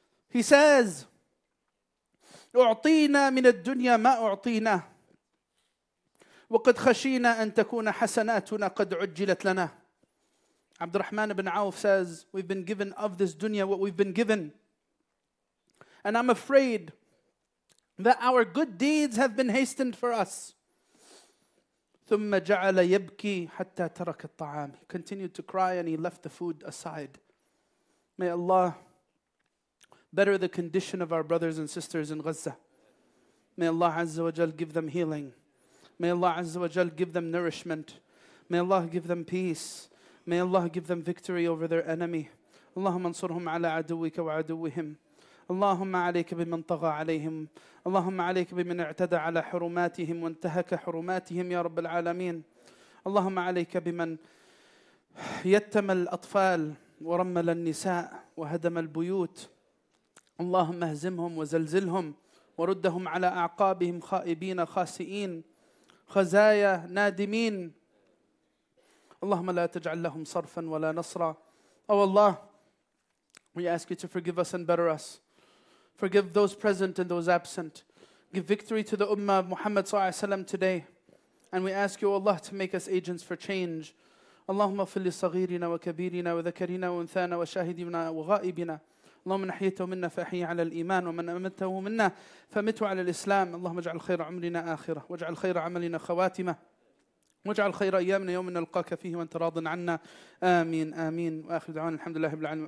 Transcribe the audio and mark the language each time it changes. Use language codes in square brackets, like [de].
[en] He says, [ar] أُعْطِينَا مِنَ الدُّنْيَا مَا أُعْطِينَا وَقَدْ خَشِينَا أَن تَكُونَ حَسَنَاتُنَا قَدْ عُجِّلَتْ لَنَا. [en] Abdul Rahman ibn Auf says, we've been given of this dunya what we've been given. And I'm afraid that our good deeds have been hastened for us. [ar] ثُمَّ جَعَلَ يَبْكِي حَتَّى تَرَكَ الطَّعَامِ. [en] He continued to cry and he left the food aside. May Allah better the condition of our brothers and sisters in Gaza. May Allah Azza wa Jal give them healing. May Allah Azza wa Jal give them nourishment. May Allah give them peace. May Allah give them victory over their enemy. [ar] اللهم انصرهم على عدوك وعدوهم. اللهم عليك بمن طغى عليهم. اللهم عليك بمن اعتدى على حرماتهم وانتهك حرماتهم يا رب العالمين. اللهم عليك بمن يتم الأطفال ورمل النساء. وهدم البيوت اللهم اهزمهم وزلزلهم وردهم على أعقابهم خائبين خاسئين خزايا نادمين اللهم لا تجعل لهم صرفا ولا نصرا. [en] Oh Allah, we ask you to forgive us and better us. Forgive those present and those absent. Give victory to the Ummah of Muhammad sallallahu alayhi wa sallam today. And we ask you, Allah, to make us agents for change. [ar] Allahumma fili saghirina wa kabirina wa dhakarina wa unthana wa shahidina wa ghaibina. اللهم نحيته منا فأحي على الإيمان ومن أمته منا فمته على الإسلام. اللهم اجعل خير عمرنا آخرة واجعل خير عملنا خواتمة واجعل خير أيامنا يوم نلقاك فيه وانت راض عنا. آمين آمين. وآخر دعوانا الحمد لله رب العالمين.